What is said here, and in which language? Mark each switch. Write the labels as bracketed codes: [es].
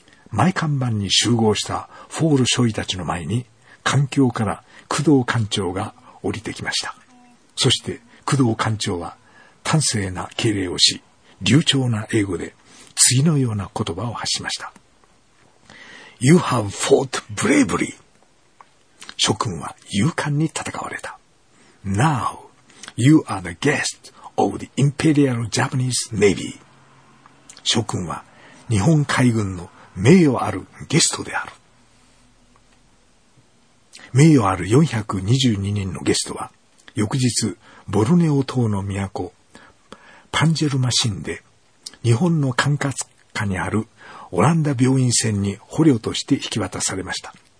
[ja] 前看板に集合したフォール少尉たちの前に艦橋から工藤艦長が降りてきました。そして工藤艦長は端正な敬礼をし、流暢な英語で次のような言葉を発しました。 [en] You have fought bravely. [ja] 諸君は勇敢に戦われた。 [en] Now you are the guest of the Imperial Japanese Navy. [ja] 諸君は日本海軍の名誉あるゲストである。名誉ある422人のゲストは翌日ボルネオ島の都パンジェルマシンで日本の管轄下にあるオランダ病院船に捕虜として引き渡されました。